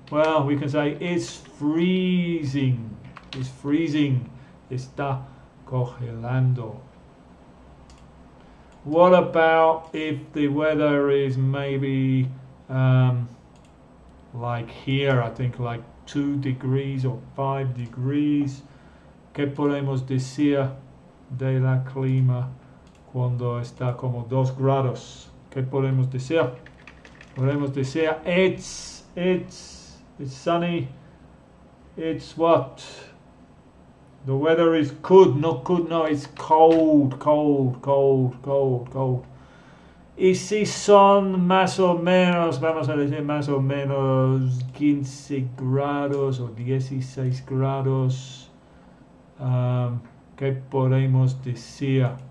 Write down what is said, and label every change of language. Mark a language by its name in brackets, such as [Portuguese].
[English] Well, we can say it's freezing. It's freezing. [Spanish] Está congelando. [English] What about if the weather is maybe like here, I think like 2 degrees or 5 degrees? [Spanish] ¿Qué podemos decir de la clima cuando está como 2 grados? ¿Qué podemos decir? Podemos decir, [English] it's sunny, it's what? The weather is good, no good, no, it's cold, cold, cold, cold, cold. [Spanish] Y si son más o menos, vamos a decir más o menos 15 grados o 16 grados, ¿qué podemos decir?